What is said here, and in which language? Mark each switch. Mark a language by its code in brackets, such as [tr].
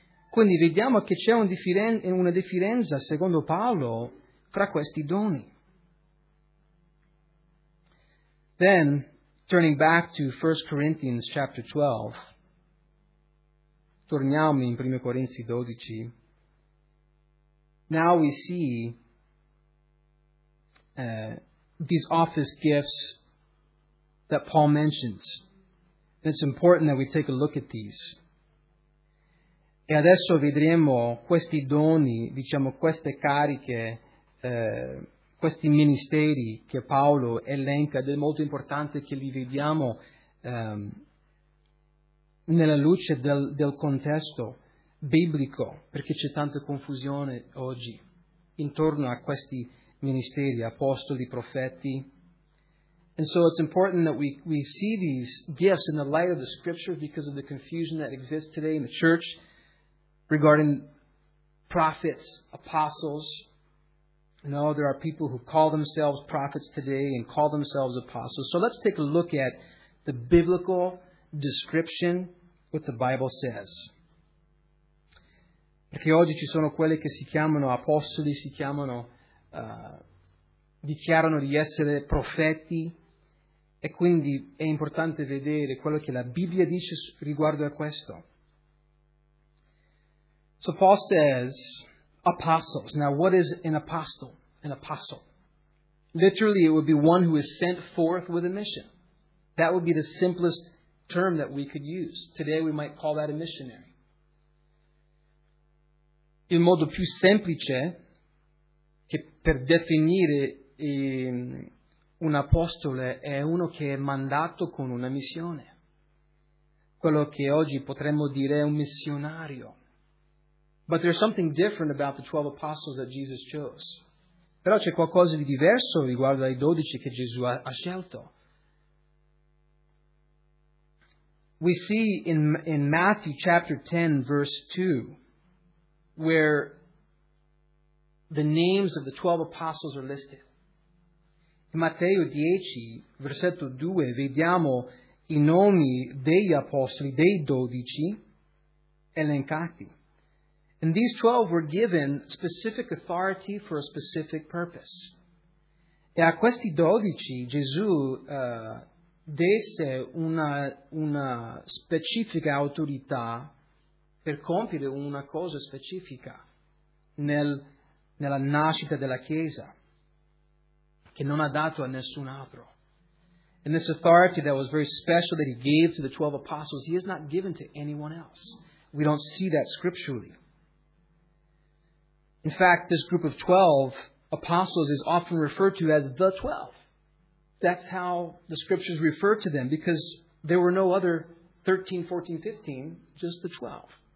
[it] Quindi vediamo che c'è una differenza, secondo Paolo, fra questi doni. [en] Then, turning back to 1 Corinthians chapter 12, [it] torniamo in 1 Corinzi 12, [en] now we see these office gifts that Paul mentions. And it's important that we take a look at these. [it] E adesso vedremo questi doni, diciamo queste cariche, questi ministeri che Paolo elenca, ed è molto importante che li vediamo nella luce del contesto biblico, perché c'è tanta confusione oggi intorno a questi ministeri, apostoli, profeti. [en] And so it's important that we see these gifts in the light of the scripture because of the confusion that exists today in the church regarding prophets, apostles. No, there are people who call themselves prophets today and call themselves apostles. So let's take a look at the biblical description, what the Bible says. [it] Perché oggi ci sono quelli che si chiamano apostoli, si chiamano, dichiarano di essere profeti. E quindi è importante vedere quello che la Bibbia dice riguardo a questo. [en] So Paul says, apostles. Now what is an apostle? An apostle. Literally it would be one who is sent forth with a mission. That would be the simplest term that we could use. Today we might call that a missionary. [it] Il modo più semplice che per definire un apostolo è uno che è mandato con una missione. Quello che oggi potremmo dire è un missionario. [en] But there's something different about the 12 apostles that Jesus chose. [it] Però c'è qualcosa di diverso riguardo ai 12 che Gesù ha scelto. [en] We see in Matthew chapter 10 verse 2 where the names of the 12 apostles are listed. [it] In Matteo 10 versetto 2 vediamo i nomi degli apostoli, dei 12 elencati. [en] And these 12 were given specific authority for a specific purpose. [it] E a questi 12 Gesù desse una specifica autorità per compiere una cosa specifica nella nascita della Chiesa, che non ha dato a nessun altro. [en] And this authority that was very special that he gave to the 12 apostles, he has not given to anyone else. We don't see that scripturally. In fact, this group of 12 apostles is often referred to as the 12. That's how the scriptures refer to them, because there were no other 13, 14, 15, just the 12.